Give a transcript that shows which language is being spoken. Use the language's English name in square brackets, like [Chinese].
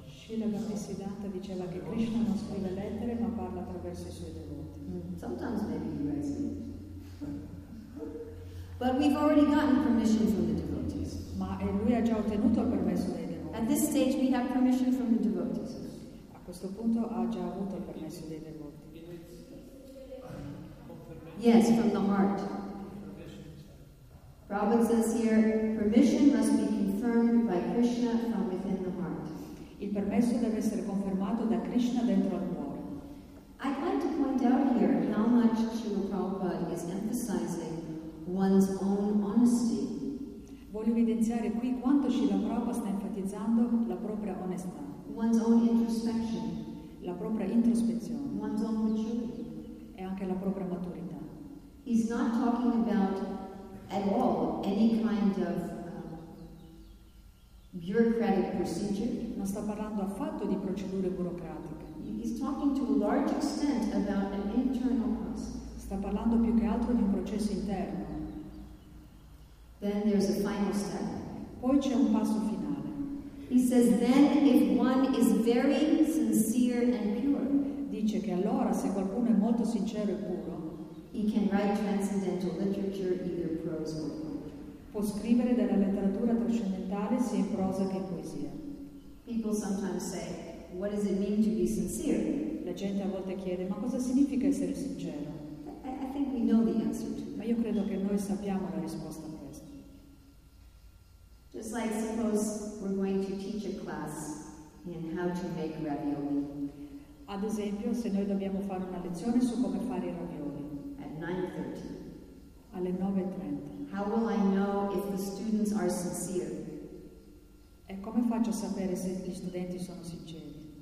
[Italian] Srila Bhaktisiddhanta diceva che Krishna non scrive lettere ma parla attraverso i suoi devoti. [English] Sometimes maybe he writes. But we've already gotten permission from the devotees. [Italian] Ma lui ha già ottenuto il permesso dei devoti. [English] At this stage we have permission from the devotees. [Italian] A questo punto ha già avuto il permesso dei devoti. [English] Yes, from the heart. Prabhupada says here, permission must be confirmed by Krishna from within the heart. [Italian] Il permesso deve essere confermato da Krishna dentro al cuore. [English] I'd like to point out here how much Srila Prabhupada is emphasizing one's own honesty. [Italian] Voglio evidenziare qui quanto Srila Prabhupada sta enfatizzando la propria onestà. [English] One's own introspection. [Italian] La propria introspezione. [English] One's own maturity. [Italian] E anche la propria maturità. [English] He's not talking about at all any kind of bureaucratic procedure. [Italian] Non sta parlando affatto di procedure burocratiche. [English] He's talking to a large extent about an internal process. [Italian] Sta parlando più che altro di un processo interno. [English] Then there's a final step. [Italian] Poi c'è un passo finale. [English] He says, then if one is very sincere and pure, [Italian] dice che allora se qualcuno è molto sincero e puro, [English] he can write transcendental literature either prose or poetry. [Italian] Può scrivere della letteratura trascendentale sia in prosa che in poesia. [English] People sometimes say, what does it mean to be sincere? [Italian] La gente a volte chiede, ma cosa significa essere sincero? [English] I think we know the answer to that. [Italian] Ma io credo che noi sappiamo la risposta a questo. [English] Just like suppose we're going to teach a class in how to make ravioli. [Italian] Ad esempio, se noi dobbiamo fare una lezione su come fare i ravioli. [English] At 9:30. [Italian] Alle 9:30. [English] How will I know if the students are sincere? [Italian] E come faccio a sapere se gli studenti sono sinceri?